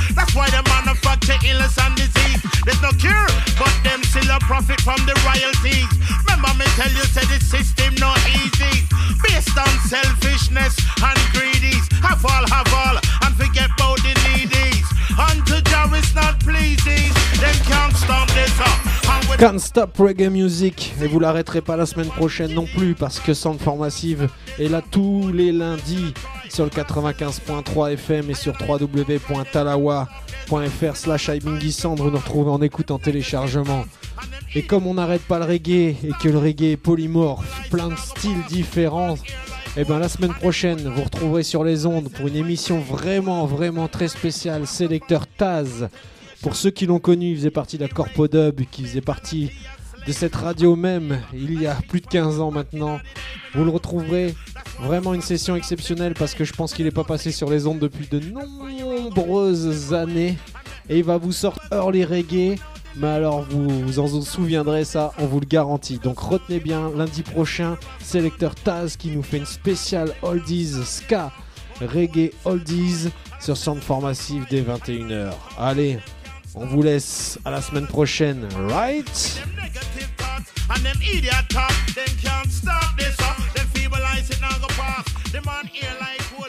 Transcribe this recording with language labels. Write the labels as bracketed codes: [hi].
[en] That's why the manufacture illness and disease. There's no cure, but them still a profit from the royalties. Remember me tell you, say this system not easy. Based on selfishness and greedies. Have all, and forget about the needies. Unto Jah is not pleasing, then can't stop this up. Can't stop reggae music, [fr] et vous l'arrêterez pas la semaine prochaine non plus, parce que Sound for Massive est là tous les lundis sur le 95.3 FM et sur www.talawa.fr/ibingisound. Vous nous retrouvez en écoute, en téléchargement. Et comme on n'arrête pas le reggae et que le reggae est polymorphe, plein de styles différents, et bien la semaine prochaine, vous retrouverez sur les ondes pour une émission vraiment, vraiment très spéciale, Sélecteur Taz. Pour ceux qui l'ont connu, il faisait partie de la Corpodub, qui faisait partie de cette radio même il y a plus de 15 ans maintenant. Vous le retrouverez, vraiment une session exceptionnelle parce que je pense qu'il n'est pas passé sur les ondes depuis de nombreuses années. Et il va vous sortir early reggae, mais alors vous en souviendrez ça, on vous le garantit. Donc retenez bien, lundi prochain, Sélecteur Taz qui nous fait une spéciale oldies ska reggae oldies sur Sound for Massive dès 21h. Allez, on vous laisse à la semaine prochaine, right? [en] Them negative thoughts and them idiot talk, them can't stop this up. Them feeble eyes in Nago Park, them on ear like.